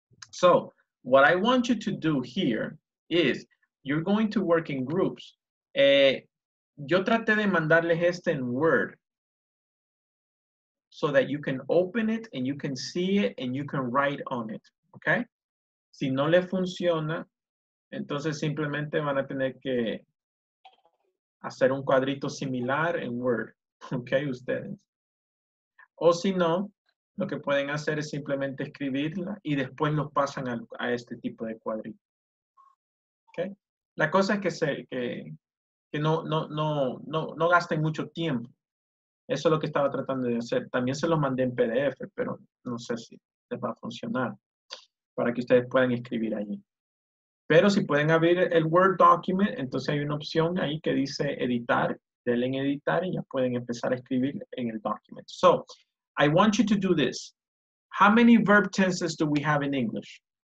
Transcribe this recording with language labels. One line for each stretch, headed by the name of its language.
English: So, what I want you to do here is you're going to work in groups.
Spanish: Yo traté de mandarles este en Word.
English: So that you can open it and you can see it and you can write on it. Okay.
Spanish: Si no le funciona, entonces simplemente van a tener que hacer un cuadrito similar en Word, ¿ok? Ustedes. O si no, lo que pueden hacer es simplemente escribirla y después los pasan a este tipo de cuadrito, ¿ok? La cosa es que no gasten mucho tiempo. Eso es lo que estaba tratando de hacer. También se los mandé en PDF, pero no sé si les va a funcionar para que ustedes puedan escribir allí. Pero si pueden abrir el Word document, entonces hay una opción ahí que dice editar. Denle en editar y ya pueden empezar a escribir en el document.
English: So, I want you to do this. How many verb tenses do we have in English?